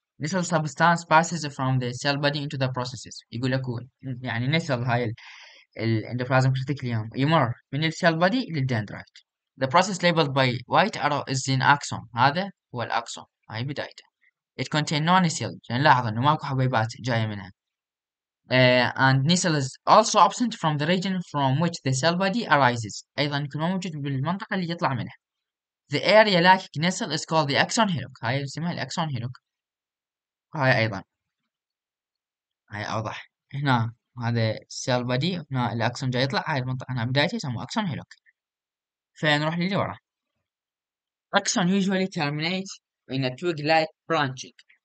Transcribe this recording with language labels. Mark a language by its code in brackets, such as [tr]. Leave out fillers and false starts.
[en] Nissl substance passes from the cell body into the processes. [ar] يقول لك يعني Nissl هاي ال endoplasmic reticulum يمر من ال cell body لل dendrite. [en] The process labeled by white arrow is an axon. [ar] هذا هو الأكسون. هاي بدايته. [en] It contains no Nissl. [ar] يعني لاحظ انه ماكو حبيبات جاية منها. [en] And Nissl is also absent from the region from which the cell body arises. [ar] أيضا يكون موجود بالمنطقة اللي يطلع منها. [en] The area lacking Nissl is called the axon hillock. [ar] هاي اسمها الأكسون هيلوك. هاي أيضا. هاي أوضح. هنا هذا cell body. هنا الأكسون جاي يطلع. هاي المنطقة هنا بدايته يسموه أكسون هيلوك. فنروح للي ورا. [en] Axon usually terminates in a twig-like branching.